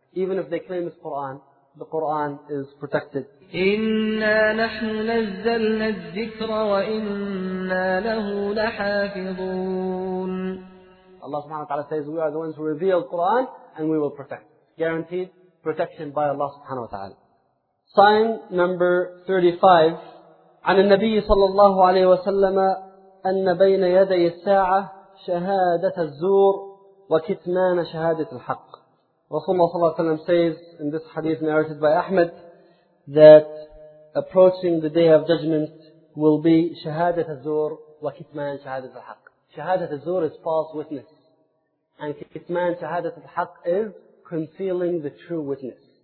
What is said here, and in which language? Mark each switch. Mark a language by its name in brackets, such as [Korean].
[English] Even if they claim it's Qur'an, the Qur'an is protected. [Arabic] إِنَّا نَحْنُ نَزَّلْنَا الذِّكْرَ وَإِنَّا لَهُ لَحَافِظُونَ. [English] Allah subhanahu wa ta'ala says, we are the ones who reveal Qur'an and we will protect. Guaranteed protection by Allah subhanahu wa ta'ala. Sign number 35. [Arabic] عن النبي صلى الله عليه وسلم أن بين يدي الساعة شهادة الزور وكتمان شهادة الحق. رسول الله صلى الله عليه وسلم [English] says in this hadith narrated by Ahmed that approaching the day of judgment will be [Arabic] شهادة الزور وكتمان شهادة الحق. شهادة الزور [English] is false witness and [Arabic] كتمان شهادة الحق [English] is concealing the true witness.